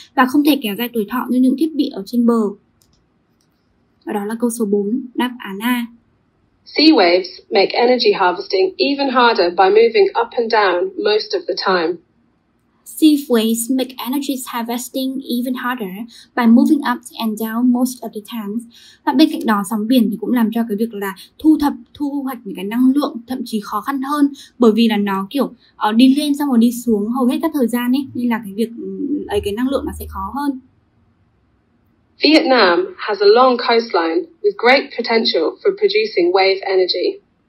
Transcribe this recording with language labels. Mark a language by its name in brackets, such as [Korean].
[Vietnamese] Và không thể kéo dài tuổi thọ như những thiết bị ở trên bờ. Và đó là câu số 4, đáp án A. [English] Sea waves make energy harvesting even harder by moving up and down most of the time. Sea waves make energy harvesting even harder by moving up and down most of the time. [Vietnamese] Và bên cạnh đó, sóng biển thì cũng làm cho cái việc là thu hoạch những cái năng lượng thậm chí khó khăn hơn, bởi vì là nó kiểu đi lên xong rồi đi xuống hầu hết các thời gian ấy, nên là cái việc ấy cái năng lượng nó sẽ khó hơn. [English] Vietnam has a long coastline with great potential for producing wave energy.